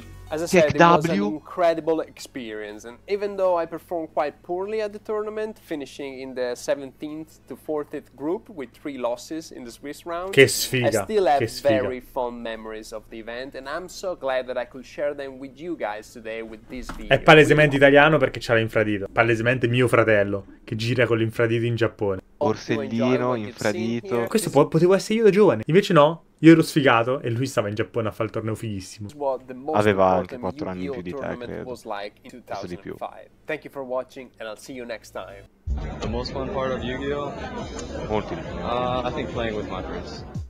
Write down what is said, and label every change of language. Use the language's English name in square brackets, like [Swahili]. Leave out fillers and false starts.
[English] As I said, it was an incredible experience, and even though I performed quite poorly at the tournament, finishing in the 17th to 40th group with 3 losses in the Swiss round, [Italian] che sfiga. [English] I still have [Italian] che sfiga. [English] Very fond memories of the event, and I'm so glad that I could share them with you guys today with this video. [Italian] È palesemente italiano perché c'ha l'infradito. Palesemente mio fratello che gira con l'infradito in Giappone. Orsellino, infradito. Questo potevo essere io da giovane, invece no. Io ero sfigato e lui stava in Giappone a fare il torneo fighissimo. Aveva anche 4 anni più di te, credo. Like questo di più. [English] Thank you for watching and I'll see you next time. The most fun part of Yu-Gi-Oh? [Italian] Molto. [English] I think playing with my friends.